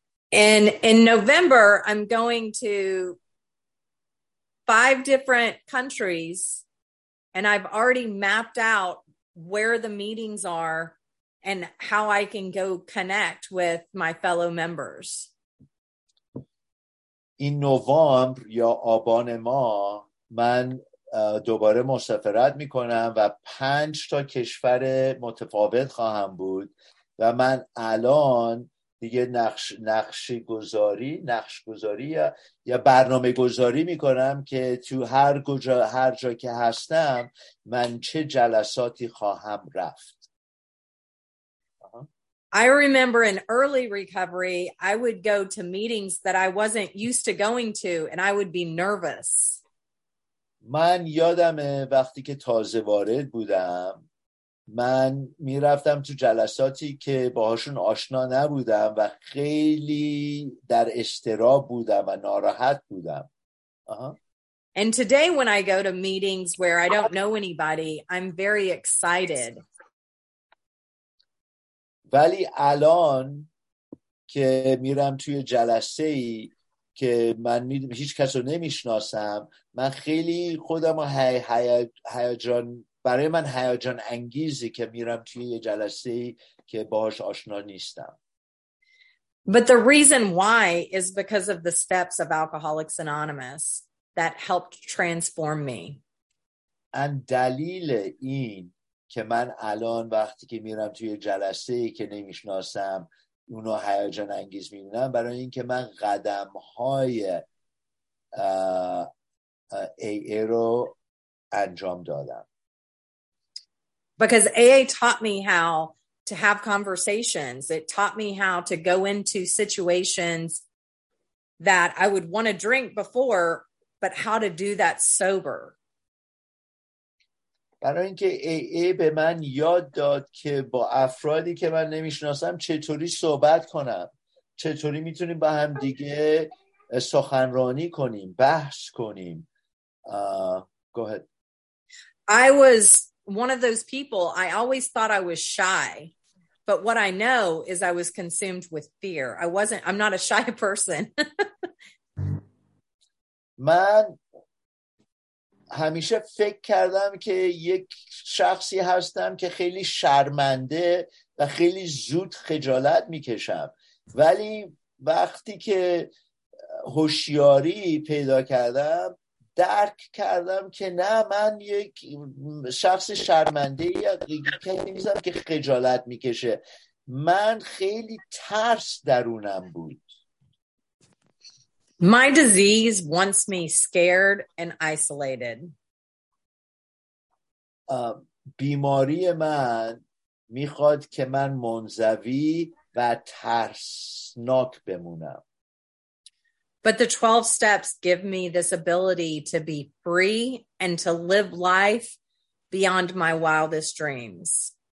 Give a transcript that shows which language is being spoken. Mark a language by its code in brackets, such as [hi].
[en] In November I'm going to 5 different countries and I've already mapped out where the meetings are and how I can go connect with my fellow members. [fa] این نوامبر یا آبان ما من دوباره مسافرت میکنم و 5 تا کشور متفاوت خواهم بود و من الان دیگه نقش گذاری یا برنامه گذاری میکنم که تو هر جا که هستم من چه جلساتی خواهم رفت. [en] I remember in early recovery I would go to meetings that I wasn't used to going to and I would be nervous. [fa] من یادمه وقتی که تازه وارد بودم من میرفتم تو جلساتی که باهاشون آشنا نبودم و خیلی در اضطراب بودم و ناراحت بودم. [en] And today when I go to meetings where I don't know anybody, I'm very excited. [fa] ولی الان که میرم توی جلسه‌ای که من هیچ کس رو نمیشناسم، من خیلی خودم رو هیجان، برای من هیجان انگیزی که میرم توی یه جلسه‌ای که باهاش آشنا نیستم. [en] But the reason why is because of the steps of Alcoholics Anonymous that helped transform me. [fa] And دلیل این که من الان وقتی که میرم توی جلسه ای که نمیشناسم اونا هیجان انگیز میبینم، برای این که من قدم های AA رو انجام دادم. [en] Because AA taught me how to have conversations. It taught me how to go into situations that I would want to drink before, but how to do that sober. [fa] برای اینکه AA به من یاد داد که با افرادی که من نمیشناسم چطوری صحبت کنم، چطوری میتونیم با هم دیگه سخنرانی کنیم، بحث کنیم. [en] Go ahead. I was one of those people. I always thought I was shy, but what I know is I was consumed with fear. I'm not a shy person. [fa] من همیشه فکر کردم که یک شخصی هستم که خیلی شرمنده و خیلی زود خجالت میکشم، ولی وقتی که هوشیاری پیدا کردم درک کردم که نه، من یک شخص شرمنده یا کسی نیستم که خجالت میکشه. من خیلی ترس درونم بود. [en] My disease wants me scared and isolated. [fa] بیماری من میخواد که من منزوی و ترسناک بمونم. [en] But the 12 steps give me this ability to be free and to live life beyond my wildest dreams.